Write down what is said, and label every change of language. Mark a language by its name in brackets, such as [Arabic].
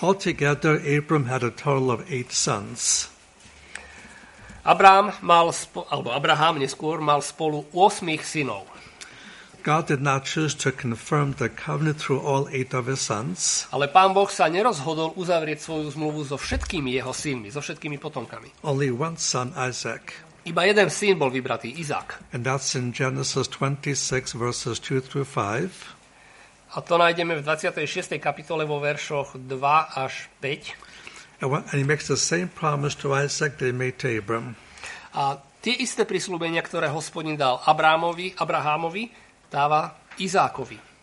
[English] Altogether, Abram had a total of 8 sons. [Slovak] Abraham mal Abraham neskôr mal spolu 8 synov. [English] God did not choose to confirm the covenant through all 8 of his sons. [Slovak] Ale Pán Boh sa nerozhodol uzavrieť svoju zmluvu so všetkými jeho synmi, so všetkými potomkami. [English] Only one son, Isaac. [Slovak] Iba jeden syn bol vybratý, Izák. [English] And that's in Genesis 26 verses 2 through 5. [Slovak] A to nájdeme v 26. kapitole vo veršoch 2 až 5. [English] And he makes the same promise to Isaac that he made to Abram. [Slovak] A tie isté prisľúbenia, ktoré Hospodin dal Abrahamovi, dáva Izákovi.